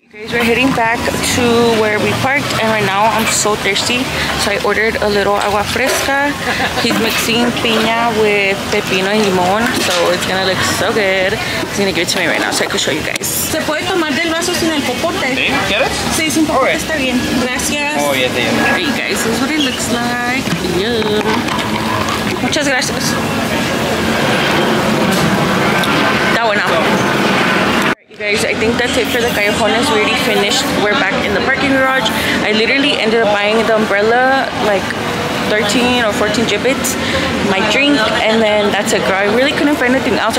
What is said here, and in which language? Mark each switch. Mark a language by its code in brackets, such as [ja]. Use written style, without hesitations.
[en] We're heading back to where we parked, and right now I'm so thirsty, so I ordered a little agua fresca. He's mixing piña with pepino and limon, so it's gonna look so good. He's gonna give it to me right now so I can show you guys. [es] Se puede tomar del vaso sin el popote. ¿Quieres? Sí, sin popote está bien. Gracias. [en] Oh, yeah, yeah. All right, you guys, this is what it looks like. Yum. [es] Muchas gracias. [en] That went out. Guys, I think that's it for the callejones. We already finished. We're back in the parking garage. I literally ended up buying the umbrella, like 13 or 14 gibbets, my drink, and then that's it, girl. I really couldn't find anything else.